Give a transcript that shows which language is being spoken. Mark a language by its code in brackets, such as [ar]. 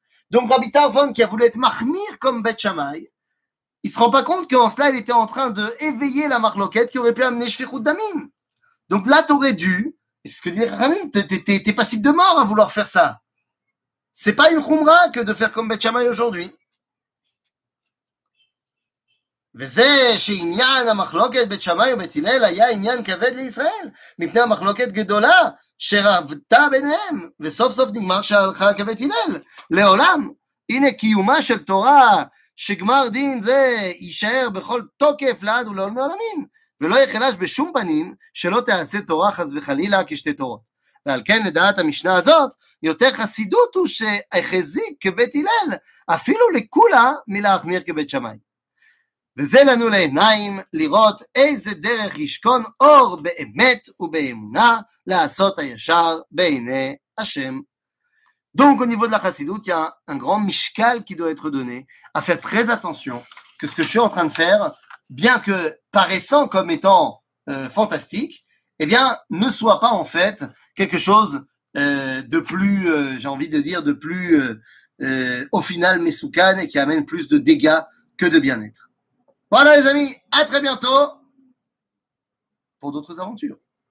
[fr] Donc, Rabbi Tarfon, qui a voulu être machmir comme Beth Shammai, il se rend pas compte qu'en cela, il était en train de éveiller la machloket qui aurait pu amener Shfichut Damim. Donc là, t'aurais dû, c'est ce que dit Ramim, t'es passible de mort à vouloir faire ça. C'est pas une khumra que de faire comme Beth Shammai aujourd'hui. [he] וזה שעניין המחלוקת בית שמאי ובית הלל היה עניין כבד לישראל, מפני המחלוקת גדולה שרבתה ביניהם, וסוף סוף נגמר שהלכה כבית הלל, לעולם. הנה קיומה של תורה שגמר דין זה יישאר בכל תוקף לעד ולעולמי עולמים, ולא יחלש בשום פנים שלא תעשה תורה חס וחלילה כשתי תורות. ועל כן לדעת המשנה הזאת, יותר חסידות הוא שהחזיק כבית הלל, אפילו לכולה מלהחמיר כבית שמאי. וזה לנו לעיניים לראות איזה דרך ישכון אור באמת ובאמונה לעשות הישר בעיני השם. [fr] Donc au niveau de la chassidut, il y a un grand mishkal qui doit être donné à faire très attention que ce que je suis en train de faire, bien que paraissant comme étant fantastique, eh bien ne soit pas en fait quelque chose de plus, j'ai envie de dire, de plus au final mesoukan et qui amène plus de dégâts que de bien-être. Voilà les amis, à très bientôt pour d'autres aventures.